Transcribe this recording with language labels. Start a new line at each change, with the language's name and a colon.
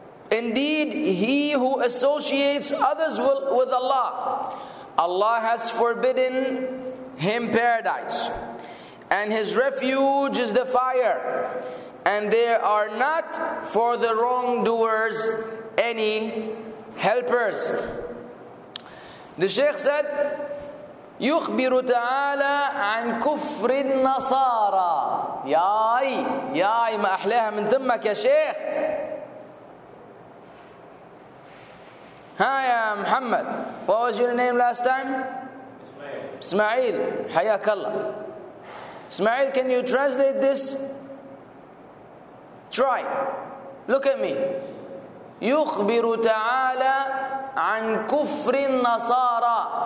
English: Indeed, he who associates others with Allah, Allah has forbidden him paradise. And his refuge is the fire. And there are not for the wrongdoers any helpers. The Shaykh said,
Arabic: يخبر تعالى عن كفر النصارى. ياي ما أحلاها من تمك يا شيخ. هاي يا محمد.
English: What was your name last time?
Arabic: إسماعيل. حياك الله.
English: إسماعيل, can you translate this? Try. Look at me.
Arabic: يخبر تعالى عن كفر النصارى.